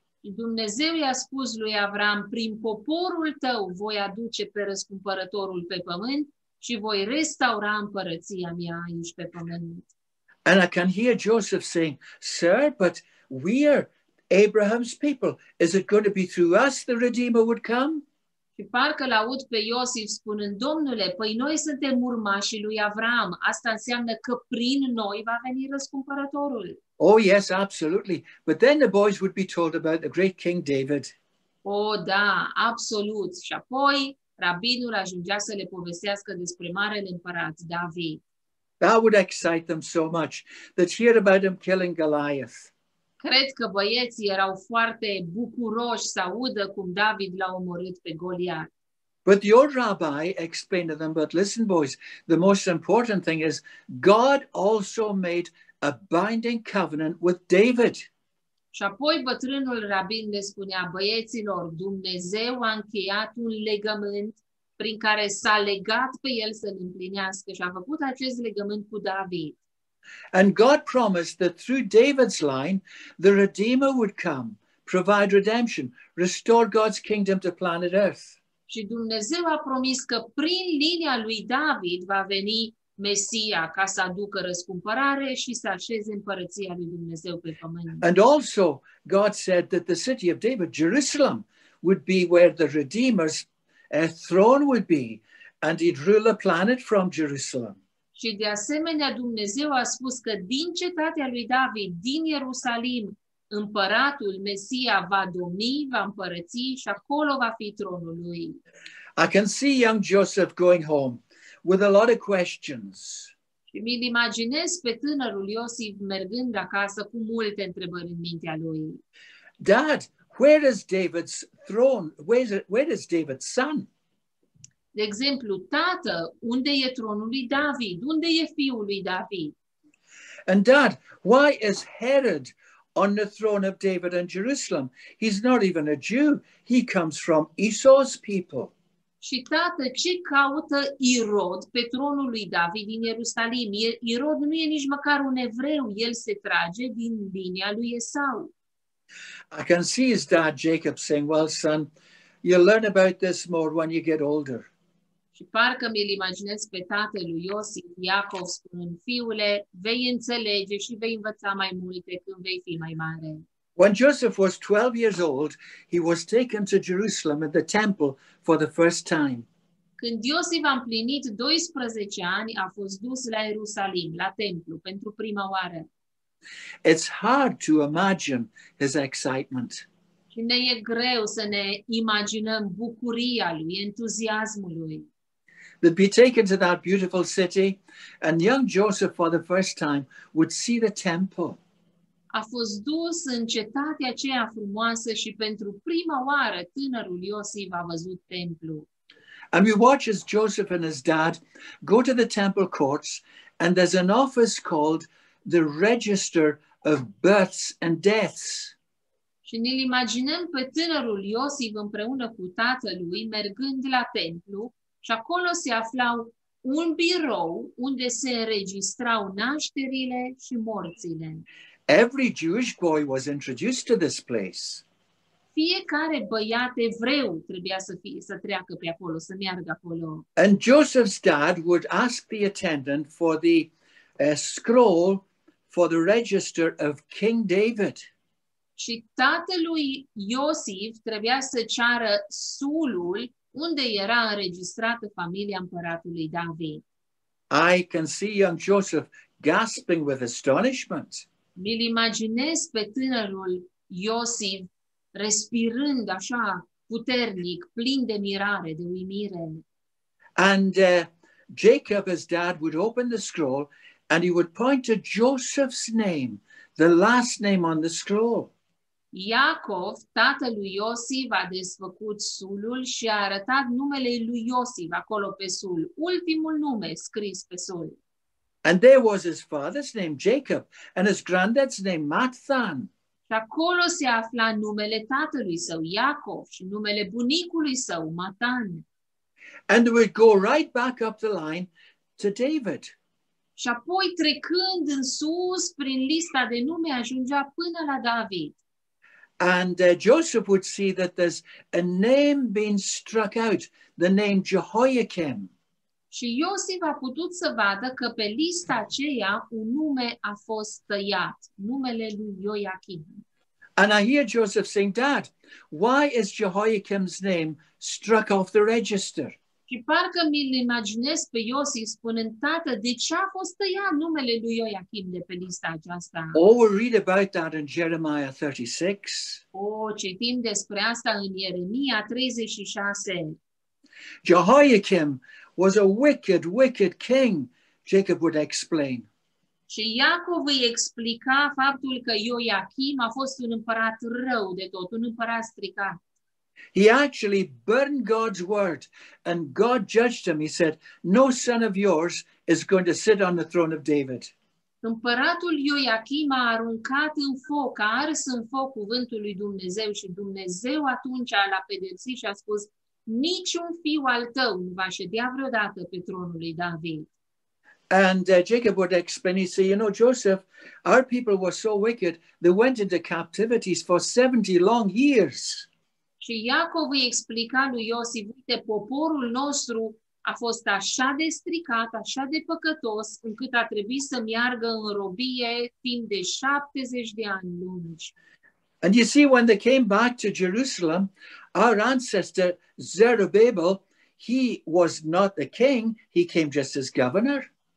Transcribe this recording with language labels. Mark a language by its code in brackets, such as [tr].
[ro] Și Dumnezeu i-a spus lui Avram, prin poporul tău voi aduce pe răscumpărătorul pe pământ și voi restaura împărăția mea aici pe pământ. [en] And I can hear Joseph saying, sir, but we are Abraham's people. Is it going to be through us the Redeemer would come? [ro] Și parcă l-aud pe Iosif spunând, Domnule, păi noi suntem urmașii lui Avram. Asta înseamnă că prin noi va veni răscumpărătorul. [en] Oh, yes, absolutely. But then the boys would be told about the great King David. [ro] Oh, da, absolut. Și apoi rabinul ajungea să le povestească despre marele împărat, David. [en] That would excite them so much that hear about him killing Goliath. [ro] Cred că băieții erau foarte bucuroși să audă cum David l-a omorât pe Goliat. [en] But the old rabbi explained to them, but listen boys, the most important thing is God also made a binding covenant with David. [ro] Și apoi bătrânul rabin le spunea băieților, Dumnezeu a încheiat un legământ prin care s-a legat pe el să-l împlinească și a făcut acest legământ cu David. [en] And God promised that through David's line, the Redeemer would come, provide redemption, restore God's kingdom to planet Earth. [ro] Și Dumnezeu a promis că prin linia lui David va veni Mesia ca să aducă răscumpărare și să așeze împărăția lui Dumnezeu pe pământ. [en] And also, God said that the city of David, Jerusalem, would be where the Redeemer's throne would be, and he'd rule the planet from Jerusalem. [ro] Și de asemenea, Dumnezeu a spus că din cetatea lui David, din Ierusalim, împăratul Mesia va domni, va împărăți și acolo va fi tronul lui. [en] I can see young Joseph going home with a lot of questions. [ro] Și mi-l imaginez pe tânărul Iosif mergând acasă cu multe întrebări în mintea lui. [en] Dad, where is David's throne? Where is David's son? [ro] De exemplu, tată, unde e tronul lui David? Unde e fiul lui David? [en] And dad, why is Herod on the throne of David in Jerusalem? He's not even a Jew. He comes from Esau's people. [ro] Și tată, ce caută Irod pe tronul lui David din Ierusalim? Irod nu e nici măcar un evreu. El se trage din linia lui Esau. [en] I can see his dad Jacob saying, well, son, you'll learn about this more when you get older. [ro] Și parcă mi-l imaginez pe tatălui Iosif, Iacov, spunând, fiule, vei înțelege și vei învăța mai multe când vei fi mai mare. [en] When Joseph was 12 years old, he was taken to Jerusalem at the temple for the first time. [ro] Când Iosif a împlinit 12 ani, a fost dus la Ierusalim, la templu, pentru prima oară. [en] It's hard to imagine his excitement. [ro] Și ne e greu să ne imaginăm bucuria lui, entuziasmul lui. [en] They'd be taken to that beautiful city, and young Joseph, for the first time, would see the temple. [ro] A fost dus în cetatea aceea frumoasă și pentru prima oară tânărul Iosif a văzut templu. [en] And we watch as Joseph and his dad go to the temple courts, and there's an office called the Register of Births and Deaths. [ro] Și ne-l imaginăm pe tânărul Iosif împreună cu tatălui mergând la templu, și acolo se aflau un birou unde se înregistrau nașterile și morțile. [en] Every Jewish boy was introduced to this place. [ro] Fiecare băiat evreu trebuia să fie, să treacă pe acolo, să meargă acolo. [en] And Joseph's dad would ask the attendant for the scroll for the register of King David. [ro] Și tatălui Iosif trebuia să ceară sulul unde era înregistrată familia împăratului David. [en] I can see young Joseph gasping with astonishment. [ro] Mi-l imaginez pe tânărul Iosif respirând așa puternic, plin de mirare, de uimire. [en] And Jacob, his dad, would open the scroll and he would point to Joseph's name, the last name on the scroll. [ro] Iacov, tatălui Iosif, a desfăcut sulul și a arătat numele lui Iosif acolo pe sul, ultimul nume scris pe sul. [en] And there was his father's name, Jacob, and his granddad's name, Matthan. [ro] Și acolo se afla numele tatălui său, Iacov, și numele bunicului său, Matan. [en] And we go right back up the line to David. [ro] Și apoi, trecând în sus, prin lista de nume, ajungea până la David. [en] And Joseph would see that there's a name being struck out, the name Jehoiakim. [ro] Și Iosif a putut să vadă că pe lista aceea un nume a fost tăiat, numele lui Ioachim. [en] And I hear Joseph saying, Dad, why is Jehoiakim's name struck off the register? [ro] Și parcă mi-l imaginez pe Iosif spunând, Tată, de ce a fost tăiat numele lui Ioachim de pe lista aceasta? [en] Oh, we'll read about that in Jeremiah 36. [ro] Oh, citim despre asta în Ieremia 36. [en] Jehoiakim was a wicked, wicked king, Jacob would explain. [ro] Și Iacov îi explica faptul că Ioachim a fost un împărat rău de tot, un împărat stricat. [en] He actually burned God's word and God judged him. He said, no son of yours is going to sit on the throne of David. [ro] Împăratul Ioachim a aruncat în foc, a ars în foc cuvântul lui Dumnezeu și Dumnezeu atunci l-a pedepsit și a spus, niciun fiu al tău nu va ședea vreodată pe tronul lui David. [en] And Jacob would explain, he said, you know, Joseph, our people were so wicked, they went into captivities for 70 long years. [ro] Și Iacov îi explica lui Iosif, uite, poporul nostru a fost așa de stricat, așa de păcătos, încât a trebuit să meargă în robie timp de 70 de ani lungi. [en] And you see, when they came back to Jerusalem, our ancestor Zerubbabel, he was not the king, he came just as governor.